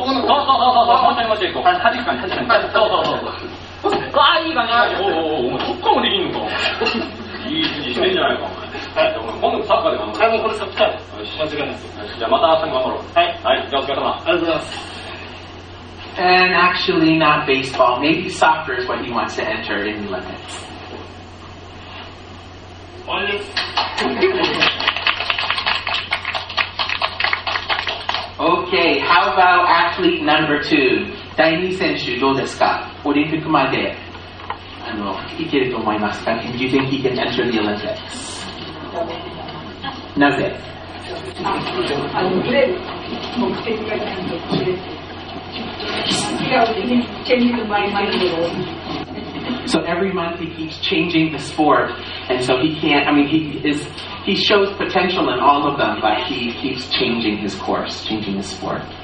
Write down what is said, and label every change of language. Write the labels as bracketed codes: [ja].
[ja] ここの、そうそうそうそう、ポンってましょう、はじく感じ、はじく感じ、そうそうそう、そうそう、わあ、いい感じ、どっかもできんのか、いい感じしてんじゃないか、お前、今度サッカーで頑張ろう、これサッカーで、よし、間違いないです、じゃあまた明日頑張ろう、はい、はい、じゃあお疲れ様、ありがとうございます。 [en] And actually not baseball, maybe soccer is what he wants to enter in the Olympics. Okay, how about athlete number two? [ja] 第二選手どうですか？オリンピックまで、いけると思いますか？ [en] Do you think he can enter the Olympics? [ja] なぜ？ [en] So every month he keeps changing the sport, and so he can't, I mean, he shows potential in all of them, but he keeps changing his course, changing his sport.